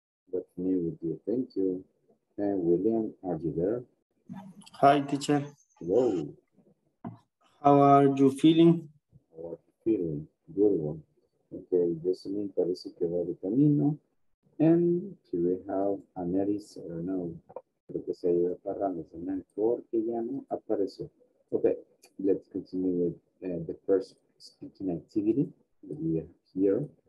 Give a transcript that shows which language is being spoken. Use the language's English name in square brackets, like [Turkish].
[English] What's new with you? Thank you. And William, are you there? Hi, teacher. Hello. How are you feeling? How are you feeling? Good one. Okay, Jasmine, [Spanish] parece que va de camino. [English] And here we have Aneris, I don't know. [Spanish] Creo que se iba para Ramos, porque ya no apareció. [English] Okay, let's continue with the first speaking activity that we have here.